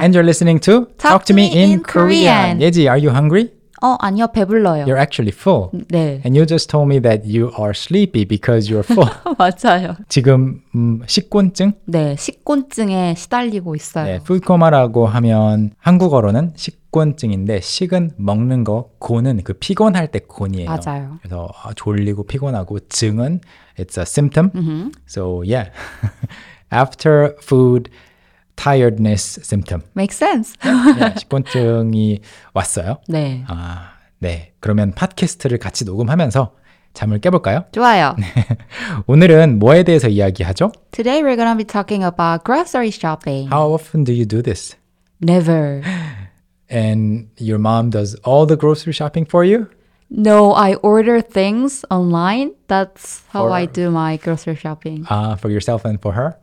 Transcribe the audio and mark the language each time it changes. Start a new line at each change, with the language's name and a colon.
English: And you're listening to Talk to me in Korean. 예지, are you hungry?
Korean: 아니요. 배불러요.
English: You're actually full.
Korean: 네.
English: And you just told me that you are sleepy because you're full.
Korean: 맞아요. 지금 식곤증? 네. 식곤증에 시달리고 있어요. 네, food coma라고 하면 한국어로는 식곤증인데 식은 먹는 거, 곤은 그 피곤할 때 곤이에요. 맞아요. 그래서 졸리고 피곤하고 증은
English: it's a symptom. So yeah. After food tiredness symptom. Makes sense.
Korean: 네, 식곤증이 왔어요. 네. 아, 네. 그러면 팟캐스트를 같이 녹음하면서 잠을 깨볼까요? 좋아요. 네. 오늘은 뭐에 대해서 이야기하죠?
English: Today we're going to be talking about grocery shopping. How often do you do this? Never. And your mom does all the grocery shopping for you? No, I order things online. That's how I do my grocery shopping. For yourself and for her?